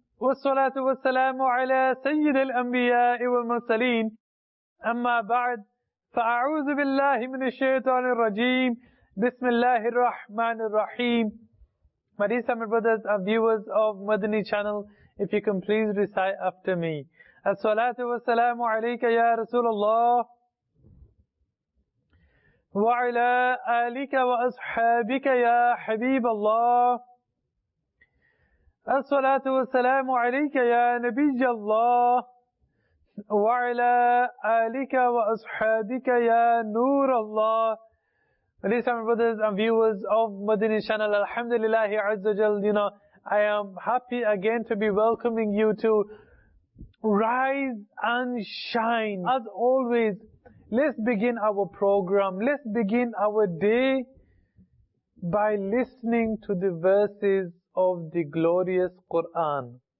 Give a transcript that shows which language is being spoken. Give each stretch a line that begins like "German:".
Arabic: والصلاة والسلام على سيد الأنبياء والمرسلين أما بعد فأعوذ بالله من الشيطان الرجيم بسم الله الرحمن الرحيم.
English: My dear Summit brothers and viewers of Madani channel, if you can please recite after me.
Arabic: الصلاة والسلام عليك يا رسول الله وعلى آلك وأصحابك يا حبيب الله. الصلاة والسلام عليك يا نبي الله وعلى آلك وأصحابك يا نور الله.
English: Ladies and brothers and viewers of Madani channel, Alhamdulillah Azza Jal, you know, I am happy again to be welcoming you to Rise and Shine. As always, let's begin our program, let's begin our day by listening to the verses of the glorious Quran.